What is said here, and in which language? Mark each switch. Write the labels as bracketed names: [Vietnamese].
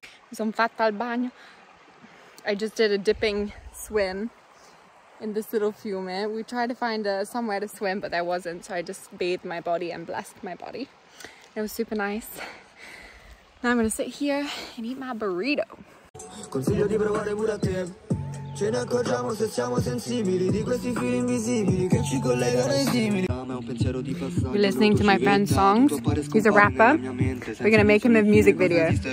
[Italian] Sono fatta al bagno. [English] I just did a dipping swim in this little fiume. We tried to find somewhere to swim, but there wasn't. So I just bathed my body and blessed my body. It was super nice. Now I'm gonna sit here and eat my burrito. [Italian] Consiglio di provare pure a te. Ce ne accorgiamo se siamo sensibili di questi fili invisibili che ci collegano ai simili. [English] We're listening to my friend's songs. He's a rapper. We're gonna make him a music video.